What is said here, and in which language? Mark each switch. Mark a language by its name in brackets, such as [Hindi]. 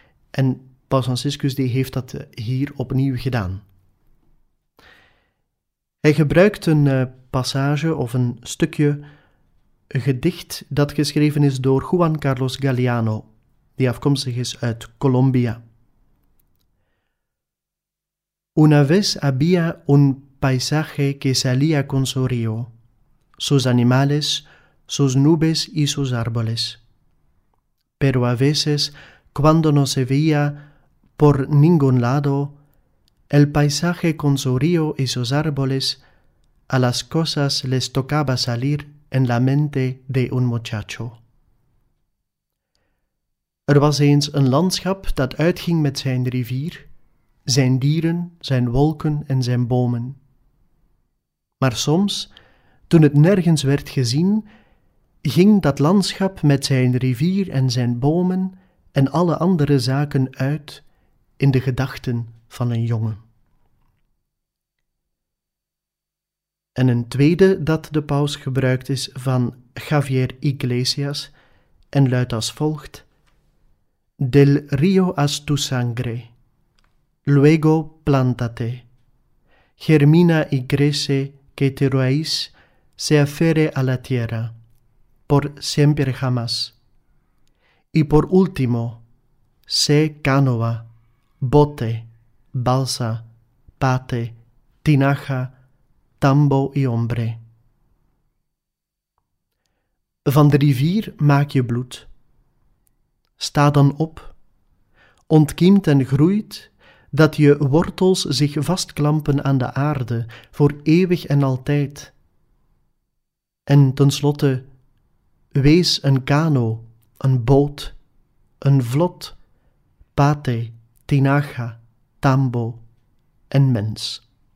[Dutch] En Paus Franciscus die heeft dat hier opnieuw gedaan. Hij gebruikt een passage of een stukje, een gedicht dat geschreven is door Juan Carlos Galeano, die afkomstig is uit Colombia. [Spanish] Una vez había un paisaje que salía con su río, sus animales, sus nubes y sus árboles. Pero a veces, cuando no se veía por ningún lado, el paisaje con su río y sus árboles, a las cosas les tocaba salir en la mente de un muchacho. [Dutch] Er was eens een landschap dat uitging met zijn rivier, zijn dieren, zijn wolken en zijn bomen. Maar soms, toen het nergens werd gezien, ging dat landschap met zijn rivier en zijn bomen en alle andere zaken uit in de gedachten van een jongen. En een tweede dat de paus gebruikt is van Javier Iglesias en luidt als volgt: [Spanish] Del río haz tu sangre, luego plántate, germina y crece que tu raíz se aferre a la tierra, por siempre jamás. Y por último, sé canoa, bote, balsa, pate, tinaja, tambo y hombre. [Dutch] Van de rivier maak je bloed. Sta dan op. Ontkiemt en groeit dat je wortels zich vastklampen aan de aarde voor eeuwig en altijd. En tenslotte, wees een kano, een boot, een vlot, pate, tinaja, tambo en mens.